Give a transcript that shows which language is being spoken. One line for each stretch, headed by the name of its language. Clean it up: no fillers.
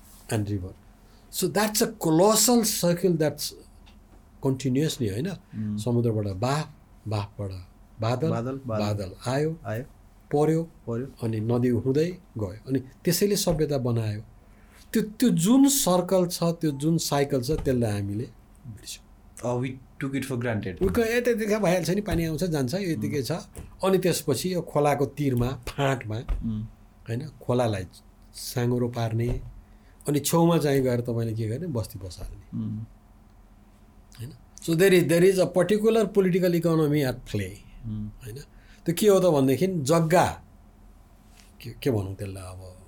English: And river so that's a colossal circle that's continuously
Nepali: haina samudra bata bah bata badal aayo paryo ani nadi hudai gayo ani tesele sabhyata banayo त्यो जुन circle छ त्यो जुन cycle छ त्यसलाई हामीले बिर्स्यौँ
English: we took it for granted
Nepali: यतातिखा भइहाल्छ नि पानी आउँछ जान्छ यतिकै छ अनि त्यसपछि यो खोलाको तिरमा फाँटमा होइन खोलालाई साङ्गुरो पार्ने अनि छेउमा चाहिँ गएर तपाईँले के गर्ने बस्ती बसाल्ने होइन
English: so there is a particular political economy at play
Nepali: होइन त्यो के हो त भनेदेखि जग्गा के भनौँ त्यसलाई अब